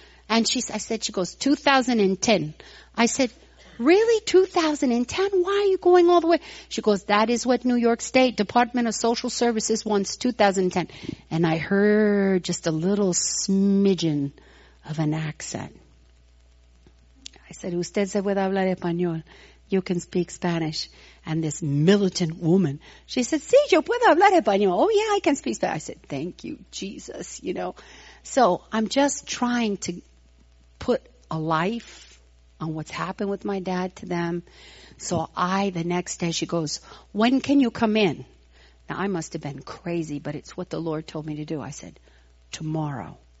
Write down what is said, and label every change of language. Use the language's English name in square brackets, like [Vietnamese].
[English] And she goes, 2010. I said, really, 2010? Why are you going all the way? She goes, that is what New York State Department of Social Services wants, 2010. And I heard just a little smidgen of an accent. I said, [Spanish] usted se puede hablar español. [English] You can speak Spanish. And this militant woman, she said, [Spanish] sí, yo puedo hablar español. [English] Oh, yeah, I can speak Spanish. I said, thank you, Jesus, you know. So I'm just trying to put a life on what's happened with my dad to them. So I, the next day, she goes, when can you come in? Now, I must have been crazy, but it's what the Lord told me to do. I said, tomorrow.